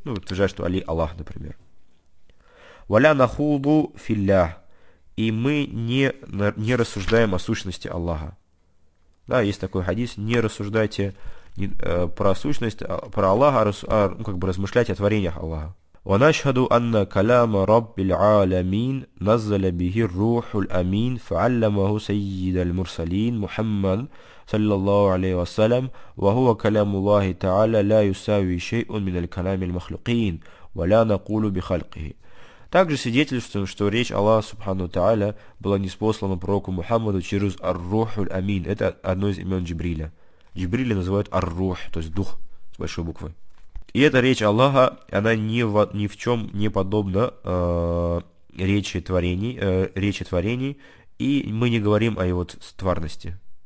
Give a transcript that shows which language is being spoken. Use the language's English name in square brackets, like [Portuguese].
[Russian] Ну, утверждать, что Али Аллах, например. [Arabic] Валя нахуду филлях. [Russian] И мы не рассуждаем о сущности Аллаха. Да, есть такой хадис, не рассуждайте про сущность, про Аллаха, размышляйте о творениях Аллаха. [Arabic] وَنَشْهَدُ أَنَّ كَلَامَ رَبِّ الْعَالَمِينَ نَزَّلَ بِهِ الرُّوحُ الْأَمِينَ فَعَلَّمَهُ سَيِّدَ الْمُرْسَلِينَ مُحَمَّدٌ صلى الله عليه وسلم وهو كلام الله تعالى لا يساوي شيء من الكلام المخلوقين ولا نقول بخلقه. [Russian] Также свидетельствуем, что речь Аллаха Субхану Та'аля была ниспослана пророку Мухаммаду через Ар-Руху Аль-Амин. Это одно из имен Джибриля. Джибриля называют Ар-Рух, то есть Дух, с большой буквы. И эта речь Аллаха, она ни в чем не подобна речи творений, и мы не говорим о его тварности.